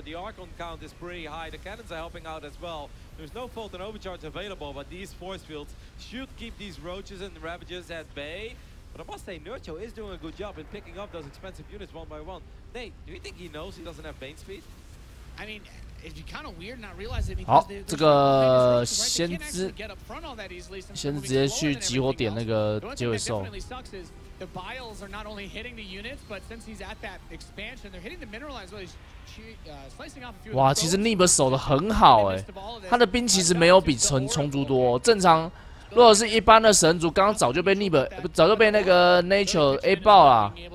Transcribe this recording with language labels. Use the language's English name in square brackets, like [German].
[English] But the Archon count is pretty high. The cannons are helping out as well. There's no fault and overcharge available, but these force fields should keep these roaches and ravagers at bay. But I must say, Nurture is doing a good job in picking up those expensive units one by one. Nate, do you think he knows he doesn't have bane speed? I mean. It'd be kind of weird not realize it because [Chinese] 好，这个先知，先直接去集火点那个结尾兽。 [English] The vials are not only hitting the units, but since he's at that expansion, they're hitting the mineral as well. He's slicing off a few. [Chinese] 哇，其实 Neep 守的很好哎，他的兵其实没有比虫族多。正常，如果是一般的神族，刚刚早就被 Neep 早就被那个 Nature A 爆了。